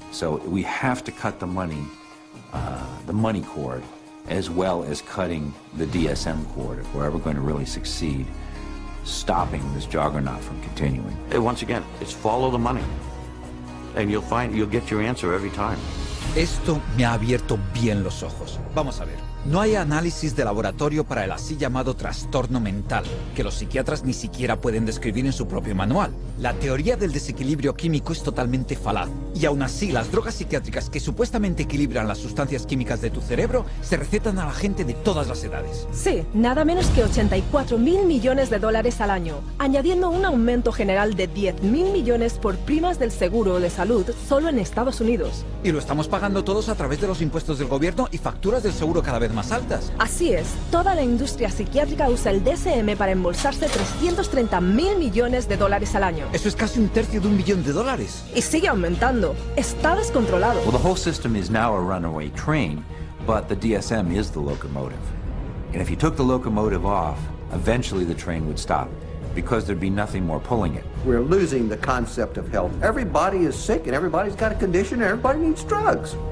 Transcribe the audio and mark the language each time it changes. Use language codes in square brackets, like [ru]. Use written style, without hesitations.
[en] So we have to cut the money cord, as well as cutting the DSM cord if we're ever going to really succeed stopping this juggernaut from continuing. Hey, once again, it's follow the money, and you'll get your answer every time. [es] Esto me ha abierto bien los ojos. Vamos a ver. No hay análisis de laboratorio para el así llamado trastorno mental, que los psiquiatras ni siquiera pueden describir en su propio manual. La teoría del desequilibrio químico es totalmente falaz. Y aún así, las drogas psiquiátricas que supuestamente equilibran las sustancias químicas de tu cerebro se recetan a la gente de todas las edades. Sí, nada menos que $84,000 millones al año, añadiendo un aumento general de $10,000 millones por primas del seguro de salud solo en Estados Unidos. Y lo estamos pagando todos a través de los impuestos del gobierno y facturas del seguro cada vez más altas. Así es, toda la industria psiquiátrica usa el DSM para embolsarse $330,000 millones al año. Eso es casi un tercio de $1 billón. Y sigue aumentando. Está descontrolado. [en] Well, the whole system is now a runaway train, but the DSM is the locomotive. And if you took the locomotive off, eventually the train would stop, because there'd be nothing more pulling it. We're losing the concept of health. Everybody is sick, and everybody's got a condition, and everybody needs drugs.